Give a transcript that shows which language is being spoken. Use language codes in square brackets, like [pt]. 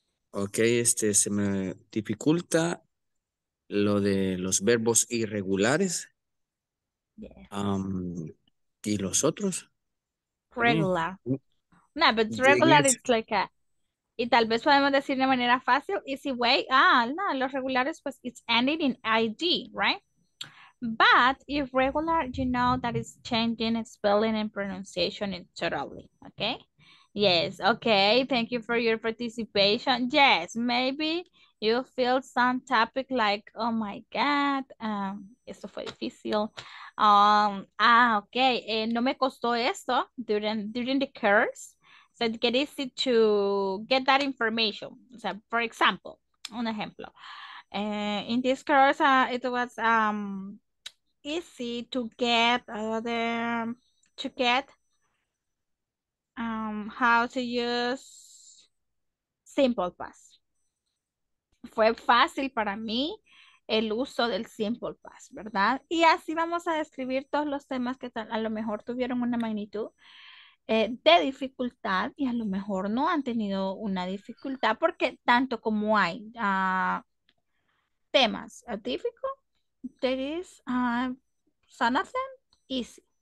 [es] Ok, se me dificulta lo de los verbos irregulares. ¿Y los otros? [en] Regular. No, but regular is like a... [es] Y tal vez podemos decir de manera fácil, [en] easy way. [es] Ah, no, los regulares, pues, [en] it's ending in ID, right? But if regular, you know that it's changing spelling and pronunciation totally, okay? Yes, okay. Thank you for your participation. Yes, maybe you feel some topic like, oh my God, [es] esto fue difícil. Okay, no me costó esto [en] during the course. So it's easy to get that information. So for example, [es] un ejemplo. [en] In this course, it was easy to get how to use simple past. [es] Fue fácil para mí el uso del simple past, ¿verdad? Y así vamos a describir todos los temas que a lo mejor tuvieron una magnitud de dificultad y a lo mejor no han tenido una dificultad porque tanto como hay temas [en] difficult, there is some of them easy.